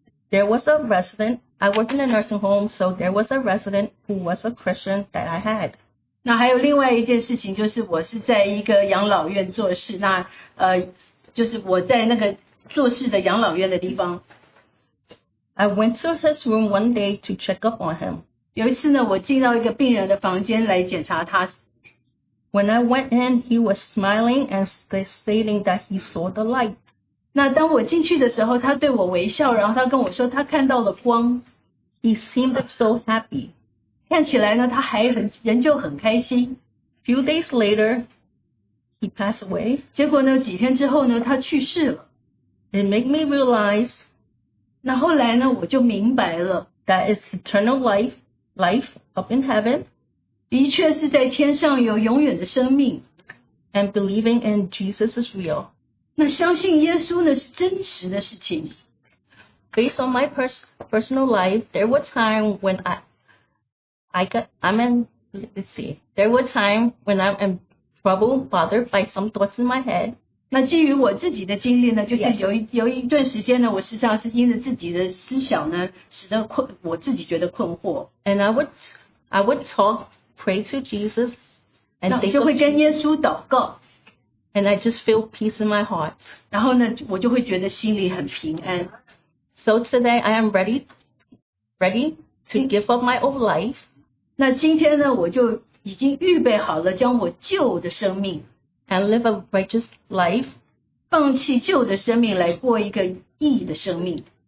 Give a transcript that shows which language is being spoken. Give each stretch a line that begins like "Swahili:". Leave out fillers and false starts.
English: There was a resident, I worked in a nursing home, so there was a resident who was a Christian that I had.
Chinese: 那还有另外一件事情，就是我是在一个养老院做事，那就是我在那个做事的养老院的地方。
English: I went to his room one day to check up on him.
Chinese: 有一次呢，我进到一个病人的房间来检查他。
English: When I went in, he was smiling and stating that he saw the light.
Chinese: 那当我进去的时候，他对我微笑，然后他跟我说他看到了光。
English: He seemed so happy.
Chinese: 看起来呢，他还很仍旧很开心。
English: Few days later, he passed away.
Chinese: 结果呢，几天之后呢，他去世了。
English: It made me realize.
Chinese: 那后来呢，我就明白了。
English: That is eternal life, life up in heaven.
Chinese: 的确是在天上有永远的生命
English: ，and believing in Jesus is real.
Chinese: 那相信耶稣呢是真实的事情。
English: Based on my personal life, there were time when there were time when I'm in trouble, bothered by some thoughts in my head.
Chinese: 那基于我自己的经历呢，就是有一段时间呢，我实际上是因着自己的思想呢，使得我自己觉得困惑。
English: And I would talk. Pray to Jesus, and
Chinese: 就会跟耶稣祷告
English: and I just feel peace in my heart.
Chinese: 然后呢，我就会觉得心里很平安
English: So today I am ready to give up my old life.
Chinese: 那今天呢，我就已经预备好了将我旧的生命
English: and live a righteous life,
Chinese: 放弃旧的生命来过一个义的生命